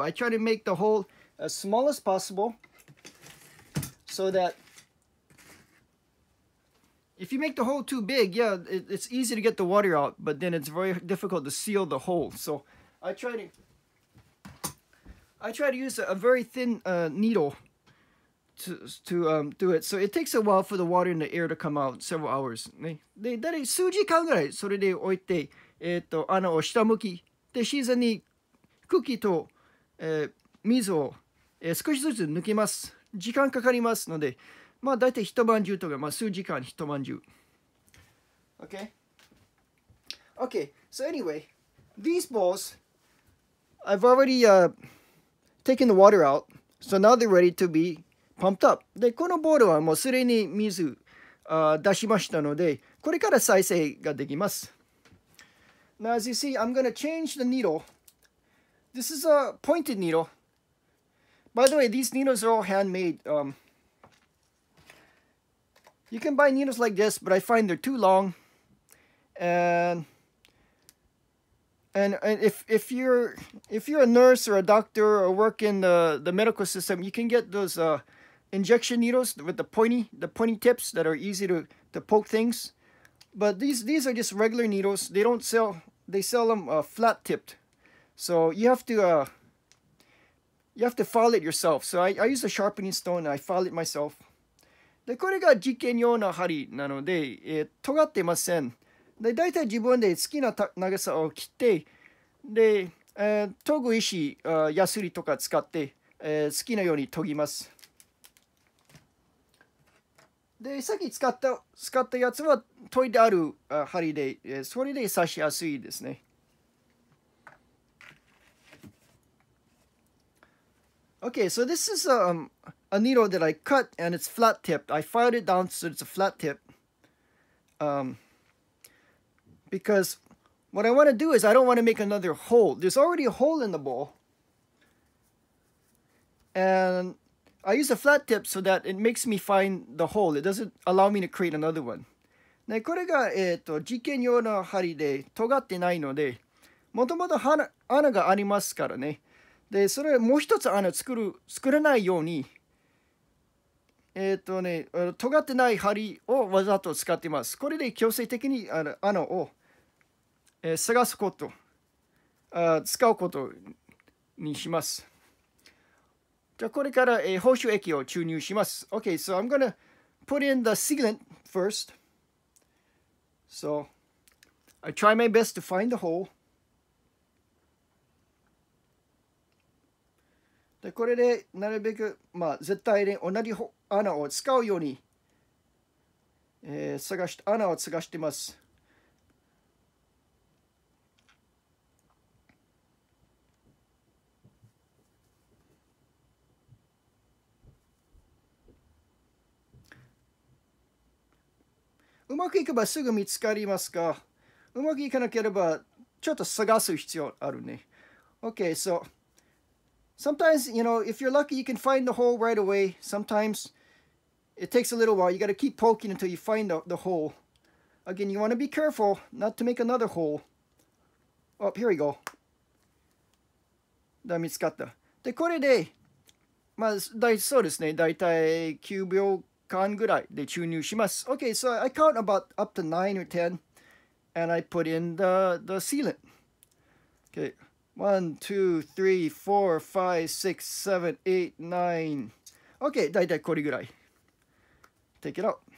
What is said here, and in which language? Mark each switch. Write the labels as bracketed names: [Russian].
[English] I try to make the hole as small as possible so that if you make the hole too big, yeah, it's easy to get the water out, but then it's very difficult to seal the hole. So I try to use a very thin needle to do it. So it takes a while for the water and the air to come out, several hours. That is [Japanese] 数時間ぐらい、それで置いて穴を下向き。で、シーズンに空気と、水を、少しずつ抜きます。時間かかりますので、まあ大体一晩中とか、まあ数時間一晩中。 [English] Okay? Okay, so anyway, these balls, I've already, taken the water out, so now they're ready to be pumped up. [Japanese] で、このボールはもうすでに水、出しましたので、これから再生ができます。 [English] Now, as you see, I'm going to change the needle. This is a pointed needle. By the way, these needles are all handmade. You can buy needles like this, but I find they're too long. And if you're a nurse or a doctor or work in the medical system, you can get those injection needles with the pointy tips that are easy to poke things. But these are just regular needles. They don't sell... They sell them flat tipped, so you have to file it yourself. So I use a sharpening stone. And I file it myself. [Japanese] でこれが実験用の針なので、尖ってません。でだいたい自分で好きな長さを切って、で、研ぐ石、ヤスリとか使って、好きなように研ぎます。で、さっき使ったやつは研いである針で、それで刺しやすいですね。 [English] Okay, so this is a a needle that I cut and it's flat tipped. I filed it down so it's a flat tip. Because what I want to do is I don't want to make another hole. There's already a hole in the bowl. And I use a flat tip so that it makes me find the hole. It doesn't allow me to create another one. [Japanese] ね、これが、実験用の針で尖ってないので、もともと穴がありますからね。で、それもう一つ穴作れないように、尖ってない針をわざと使っています。これで強制的に穴を、探すこと、使うことにします。じゃあこれから、報酬液を注入します。 [English] Okay, so I'm gonna put in the sealant first. So, I try my best to find the hole. [Japanese] で、これでなるべく、まあ、絶対に同じ穴を使うように、穴を探しています。うまくいけばすぐ見つかりますか。うまくいかなければちょっと探す必要あるね。 [English] Okay, so sometimes, you know, if you're lucky, you can find the hole right away. Sometimes it takes a little while. You got to keep poking until you find the hole. Again, you want to be careful not to make another hole. Oh, here we go. [Japanese] だ、見つかった。で、これで、まあ、そうですね。だいたい9秒間ぐらいで注入します。 [English] Okay, so I count about up to 9 or 10 and I put in the sealant. Okay, 1, 2, 3, 4, 5, 6, 7, 8, 9. Okay, [Japanese] だいたいこれぐらい。 [English] Take it out.